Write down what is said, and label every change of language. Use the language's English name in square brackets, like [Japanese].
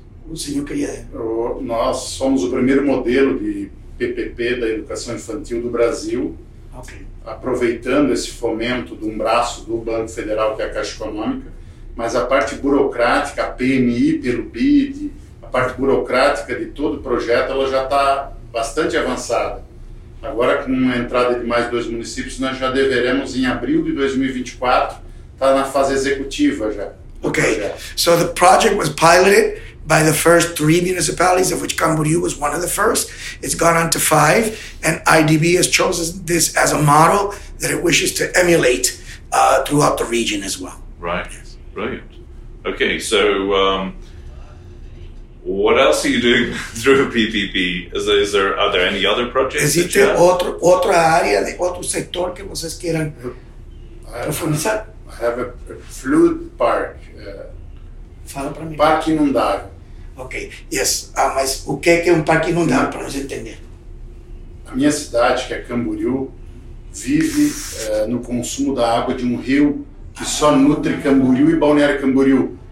[Portuguese] O senhor queria... Nós somos o primeiro modelo de PPP da educação infantil do Brasil. [English] Okay. [Portuguese] Aproveitando esse fomento de um braço do Banco Federal, que é a Caixa Econômica, mas a parte burocrática, a PMI pelo BID, a parte burocrática de todo o projeto, ela já está bastante avançada. Agora, com a entrada de mais 2 municípios, nós já deveremos, em abril de 2024, estar na fase executiva já. Ok. [English] So the project was piloted by the first 3 municipalities, of which Camboriú was one of the first. It's gone on to 5, and IDB has chosen this as a model that it wishes to emulate throughout the region as well. Right. Yes. Brilliant. Okay, so... what else are you doing through PPP? Are there any other projects? [Portuguese] Existe outra área, outro setor que vocês queiram profundizar? [English] I have a flood park. [Portuguese] Fala para mim. Parque inundável. [English] Ok, yes. [Portuguese] Ah, mas o que é parque inundável, para nós entender? A minha cidade, que é Camboriú, vive no consumo da água de um rio que só nutre Camboriú e Balneário Camboriú.